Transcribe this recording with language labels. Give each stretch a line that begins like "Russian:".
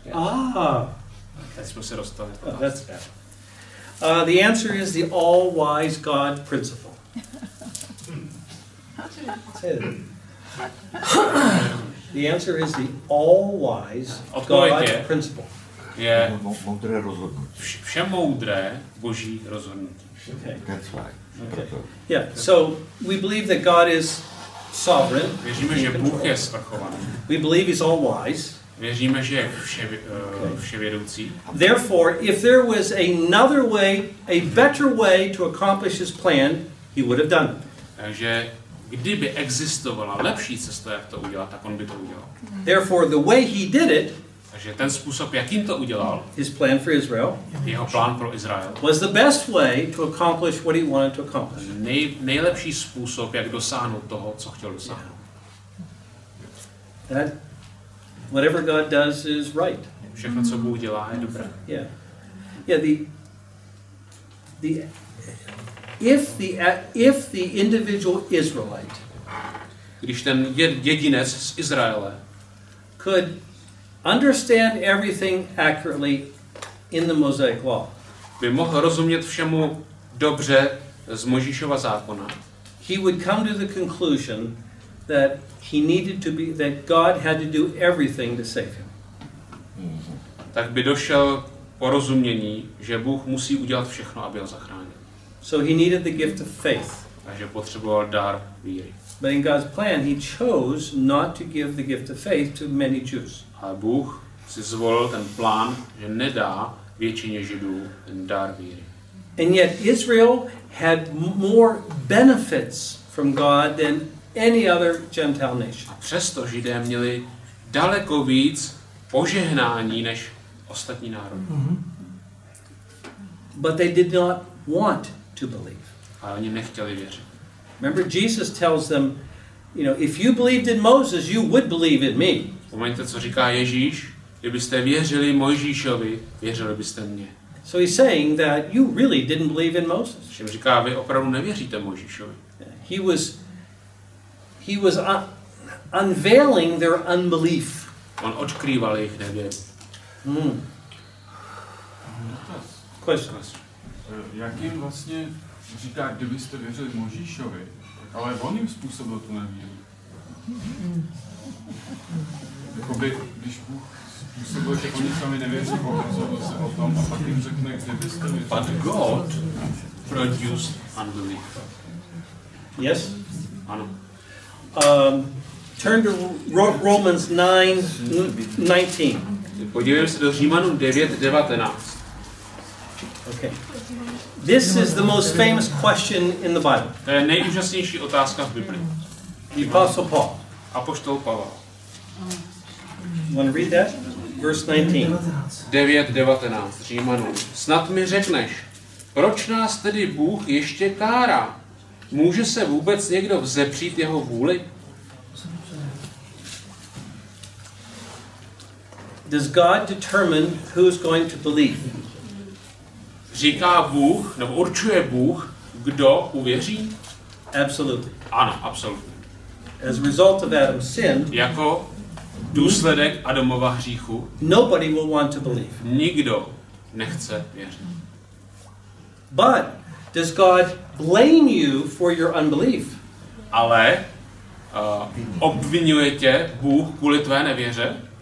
English: Yes. Ah. That's bad. The answer is the all-wise God principle. The answer is the all-wise God principle.
Czech: Je moudré rozhodnutí. Všemoudré Boží rozhodnutí.
English: Okay. That's why. Okay. Yeah. So we believe that God is sovereign.
Czech: Věříme, že Bůh je svrchovaný.
English: We believe he's all wise.
Czech: Věříme, že je vševědoucí.
English: Therefore, if there was another way, a better way to accomplish his plan, he would have done it.
Czech: Takže kdyby existovala lepší cesta, jak to udělat, tak on by to udělal.
English: Therefore, the way he did it,
Czech: takže ten způsob, jakým to udělal,
English: his plan for Israel,
Czech: jeho plán pro Izrael,
English: was the best way to accomplish what he wanted to accomplish.
Czech: Nejlepší způsob, jak dosáhnout toho, co chtěl dosáhnout.
English: That, whatever God does is right.
Czech: Všechno, co Bůh dělá, je dobré.
English: Yeah. If the individual Israelite,
Czech: když ten jedinec z Izraele,
English: could understand everything accurately in the Mosaic law,
Czech: by mohl rozumět všemu dobře z Mojžíšova zákona,
English: he would come to the conclusion that he needed to be, that God had to do everything to save him.
Czech: Tak by došel porozumění, že Bůh musí udělat všechno, aby ho zachránil.
English: So he needed the gift of faith.
Czech: Takže potřeboval dar víry.
English: But in God's plan, he chose not to give the gift of faith to many Jews.
Czech: A Bůh si zvolil ten plán, že nedá většině Židů ten dar víry.
English: And yet Israel had more benefits from God than any other Gentile nation.
Czech: A přesto Židé měli daleko víc požehnání než ostatní národy. Mm-hmm.
English: But they did not want to believe.
Czech: A oni nechtěli věřit.
English: Remember, Jesus tells them, you know, if you believed in Moses, you would believe in me.
Czech: Pamatujte, co říká Ježíš, kdybyste věřili Mojžíšovi, věřili byste mně.
English: So he's saying that you really didn't believe in Moses.
Czech: Čím říká, vy opravdu nevěříte Mojžíšovi.
English: He was unveiling their unbelief.
Czech: On odkrýval jejich nevěru. Hmm.
English: Question.
Czech: Jakým vlastně říká, kdybyste věřili Mojžíšovi, ale on jim způsobil tu nevěru. Jakoby, když Bůh způsobil, že oni sami nevěří, pokazoval se o tom a pak jim řekne, kdybyste věřili.
English: But God produced unbelief. Yes?
Czech: Ano.
English: Turn to Romans 9:19.
Czech: Podívejme se do Římanů 9:19.
English: Okay. This is the most famous question in the Bible.
Czech: To je nejúžasnější otázka v Bibli.
English: Apostle Paul.
Czech: Apoštol Pavel.
English: Want to read that? Verse
Czech: 19. 9:19. Římanů. Snad mi řekneš, proč nás tedy Bůh ještě kárá? Může se vůbec někdo vzepřít jeho vůli?
English: Does God determine who's going to believe?
Czech: Říká Bůh, nebo určuje Bůh, kdo uvěří?
English: Absolutely.
Czech: Ano, absolutně.
English: As a result of Adam's sin,
Czech: jako důsledek Adamova hříchu,
English: nobody will want to believe.
Czech: Nikdo nechce věřit.
English: But does God blame you for your unbelief?
Czech: Ale obvinuje tě Bůh kvůli tvé nevěře?